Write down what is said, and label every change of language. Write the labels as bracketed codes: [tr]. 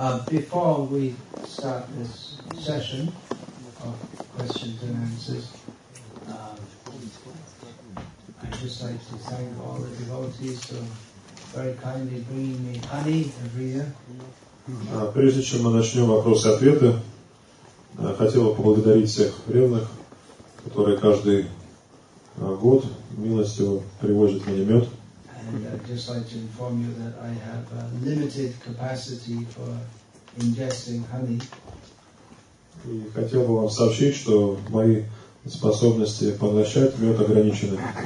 [en] Before we start this session of questions and answers, I'd just like to thank all the devotees for very kindly bringing me honey every year. [ru] А прежде чем мы начнем вопросы-ответы, хотел бы поблагодарить всех преданных, которые каждый год милостью привозят мне мед. [en] And I'd just like to inform you that I have a limited capacity for ingesting honey. [ru] И хотел бы вам сообщить, что мои способности поглощать мед ограничены.